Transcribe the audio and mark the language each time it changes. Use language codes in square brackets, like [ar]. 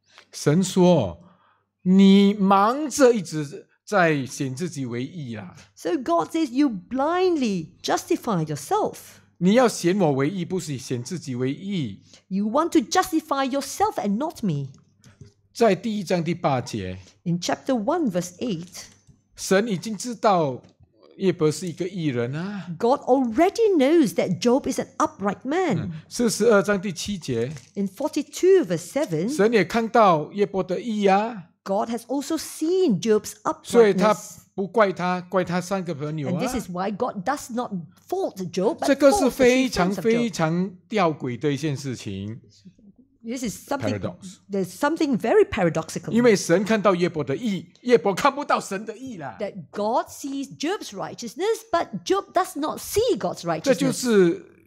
[zh] 神说, 你忙着一直在显自己为义啊。 [en] So God says, you blindly justify yourself. [zh] 你要显我为义,不是显自己为义。 [en] You want to justify yourself and not me. [zh] 在第一章第八节, [en] In chapter 1, verse 8, [zh] 神已经知道 耶伯是一个义人啊, [en] God already knows that Job is an upright man. [zh] 42章第7节, [en] In 42 verse 7, [zh] 神也看到耶伯的义啊, [en] God has also seen Job's uprightness. [zh] 所以他不怪他, 怪他三个朋友啊, [en] and this is why God does not fault Job. [zh] 这个是非常非常吊诡的一件事情。 [en] This is something, there's something very paradoxical. [zh] 因为神看到耶伯的义, 耶伯看不到神的义啦。 [en] That God sees Job's righteousness, but Job does not see God's righteousness.